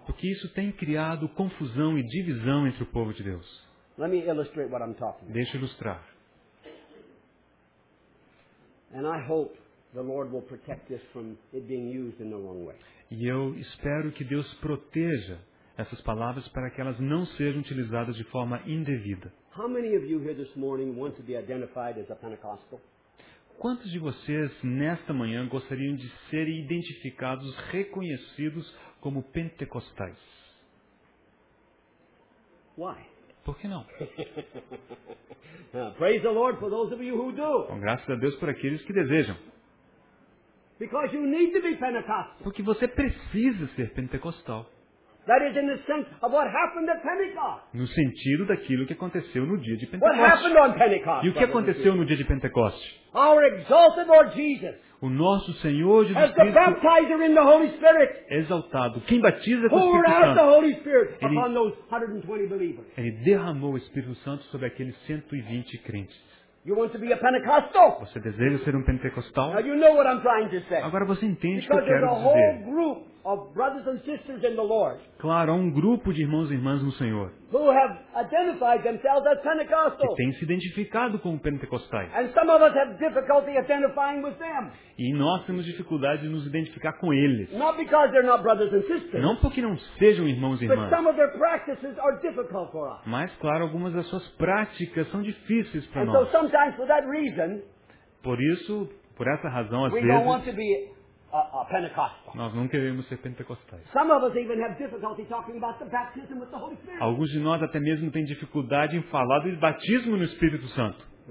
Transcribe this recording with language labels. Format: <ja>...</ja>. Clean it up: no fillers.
<pt>Porque isso tem criado confusão e divisão entre o povo de Deus.</pt> <en>Let me illustrate what I'm talking about.</en> <pt>Deixa eu ilustrar.</pt> <en>And I hope the Lord will protect this from it being used in the wrong way.</en> <pt>E eu espero que Deus proteja essas palavras para que elas não sejam utilizadas de forma indevida.</pt> <en>How many of you here this morning want to be identified as a Pentecostal?</en> <pt>Quantos de vocês, nesta manhã, gostariam de serem identificados, reconhecidos como pentecostais?</pt> <en>Why?</en> <pt>Por que não?</pt> <en>Praise the Lord for those of you who do.</en> <pt>Com graças a Deus por aqueles que desejam.</pt> <en>Because you need to be Pentecostal.</en> <pt>Porque você precisa ser pentecostal.</pt> <en>That is in the sense of what happened at Pentecost.</en> <pt>No sentido daquilo que aconteceu no dia de Pentecostes.</pt> <en>What happened on Pentecost?</en> <pt>E o que aconteceu no dia de Pentecostes?</pt> <en>Our exalted Lord Jesus.</en> <pt>O nosso Senhor Jesus Cristo.</pt> <en>As the baptizer in the Holy Spirit.</en> <pt>Exaltado. Quem batiza com o Espírito Santo.</pt> <en>Poured out the Holy Spirit upon those 120 believers.</en> <pt>Ele derramou o Espírito Santo sobre aqueles 120 crentes.</pt> <en>You want to be a Pentecostal?</en> <pt>Você deseja ser um pentecostal?</pt> <en>Now you know what I'm trying to say.</en> <pt>Agora você entende</pt> <en>Because</en> <pt>o que eu quero</pt> <en>a whole</en> <pt>dizer.</pt> <en>Group of brothers and sisters in the Lord.</en> <pt>Claro, há um grupo de irmãos e irmãs no Senhor.</pt> <en>Who have identified themselves as Pentecostals.</en> <pt>Que têm se identificado como pentecostais.</pt> <en>And some of us have difficulty identifying with them.</en> <pt>E nós temos dificuldade de nos identificar com eles.</pt> <en>Not because they're not brothers and sisters.</en> <pt>Não porque não sejam irmãos e irmãs.</pt> <en>But some of their practices are difficult for us.</en> <pt>Mas, claro, algumas das suas práticas são difíceis para nós.</pt> <en>So sometimes for that reason,</en> <pt>por isso, por essa razão, às</pt> <en>we</en> <pt>vezes,</pt> <en>don't want to be a</en> <pt>nós não queremos ser pentecostais.</pt> <en>Some of us even have difficulty talking about the baptism with the Holy Spirit.</en> <pt>Alguns de nós até mesmo têm dificuldade em falar do batismo no Espírito Santo.</pt>